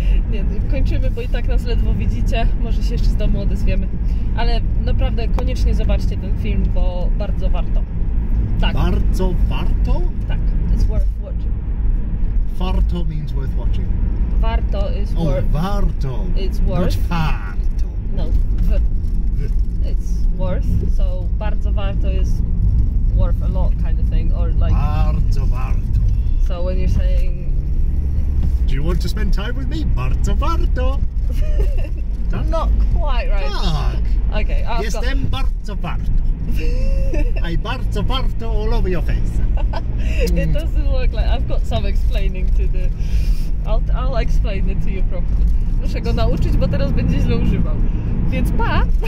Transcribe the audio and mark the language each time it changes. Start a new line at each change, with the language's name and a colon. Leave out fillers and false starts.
Polish: Nie, kończymy, bo i tak nas ledwo widzicie. Może się jeszcze z domu odezwiemy. Ale naprawdę koniecznie zobaczcie ten film, bo bardzo warto. Tak. Bardzo warto?
English: Tak. It's worth watching. Farto means worth watching. Warto is worth. Oh, warto. It's worth. Not farto. No. It's worth. So,
Polish: bardzo warto
English: is worth a lot kind of thing. Or like.
Polish: Bardzo warto.
English: So, when you're saying. Do you want to spend time with me?
Polish: Bardzo warto!
English: Not quite right. Fuck! Okay, I've Yes, then
Polish: bardzo warto.
English: I
Polish: bardzo warto
English: all over your face. It doesn't work like... I've got some explaining to do. I'll explain it to you properly.
Polish: Muszę go nauczyć, bo teraz będzie źle używał. Więc pa!